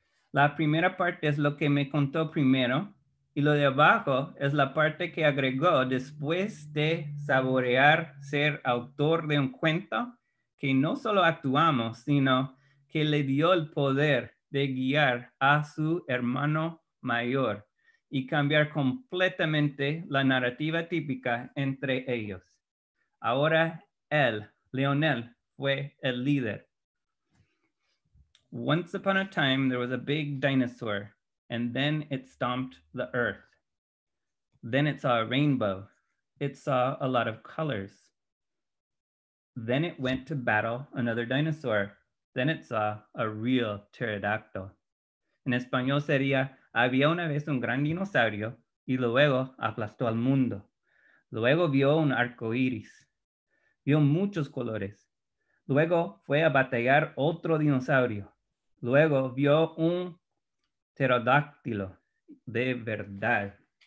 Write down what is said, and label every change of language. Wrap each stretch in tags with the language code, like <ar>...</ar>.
<es>La primera parte es lo que me contó primero. Y lo de abajo es la parte que agregó después de saborear ser autor de un cuento que no solo actuamos, sino que le dio el poder de guiar a su hermano mayor y cambiar completamente la narrativa típica entre ellos. Ahora él, Leonel, fue el líder.</es> <en>"Once upon a time, there was a big dinosaur, and then it stomped the earth. Then it saw a rainbow. It saw a lot of colors. Then it went to battle another dinosaur. Then it saw a real pterodactyl."</en> <es>En español sería, había una vez un gran dinosaurio y luego aplastó al mundo. Luego vio un arco iris. Vio muchos colores. Luego fue a batallar otro dinosaurio. Luego vio un pterodáctilo de verdad.</es>